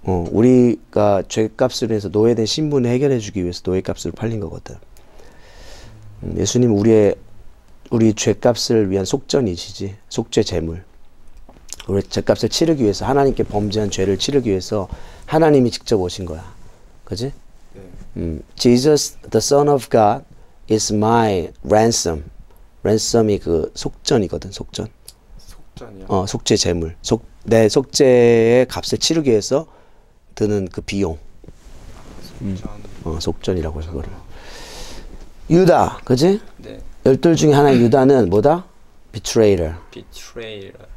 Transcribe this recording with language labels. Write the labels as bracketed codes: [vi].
[ko] 우리가 죄값을 위해서 노예된 신분을 해결해 주기 위해서 노예 값으로 팔린 거거든. 예수님 우리 죄값을 위한 속전이시지. 속죄 제물. 우리 죄값을 치르기 위해서 하나님께 범죄한 죄를 치르기 위해서 하나님이 직접 오신 거야. 그지? 네. [en] Jesus the Son of God is my ransom. [ko] Ransom이 그 속전이거든. 속전. 속전이요? 속죄 제물. 내 속죄의 값을 치르기 위해서 드는 그 비용. 속전. 속전이라고 해서 그걸. 유다. 그지? 네. 열둘 중에 하나의 유다는 뭐다? Betrayer. [en] Betrayer.